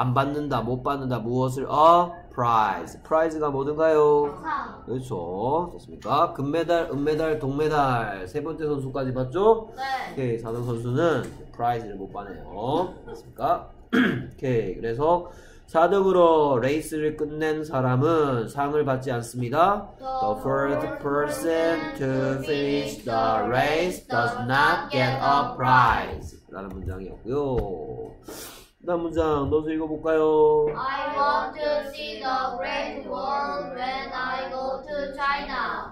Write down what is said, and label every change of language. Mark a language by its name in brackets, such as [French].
[Korean] 안 받는다, 못 받는다 무엇을 a prize. prize가 뭐든가요? 그렇죠. 좋습니까? 금메달, 은메달, 동메달 세 번째 선수까지 봤죠? 오케이, 4등 선수는 prize를 못 받네요. 좋습니까? 오케이, 그래서 4등으로 레이스를 끝낸 사람은 상을 받지 않습니다. [English] The first person to finish the race does not get a prize. [Korean] 라는 문장이었고요. 다음 문장 넣어서 읽어볼까요? [English] I want to see the Great Wall when I go to China.